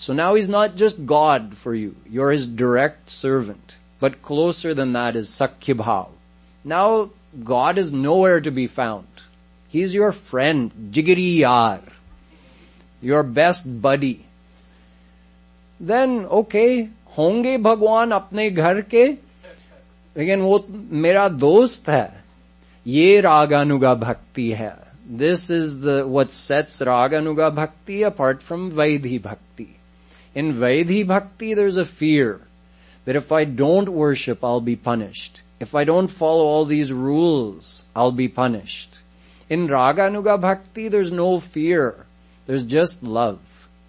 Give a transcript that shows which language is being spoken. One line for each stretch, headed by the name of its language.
English: So now he's not just God for you, you're his direct servant. But closer than that is sakya bhav. Now, God is nowhere to be found. He's your friend, jigri yaar, your best buddy. Then, okay,
Hindi: होंगे भगवान अपने घर के,
English: again,
Hindi: वो मेरा दोस्त है. ये रागानुगा भक्ति है.
English: This is what sets raganuga bhakti apart from vaidhi bhakti. In vaidhi bhakti, there's a fear that if I don't worship, I'll be punished. If I don't follow all these rules, I'll be punished. In raganuga bhakti, there's no fear. There's just love.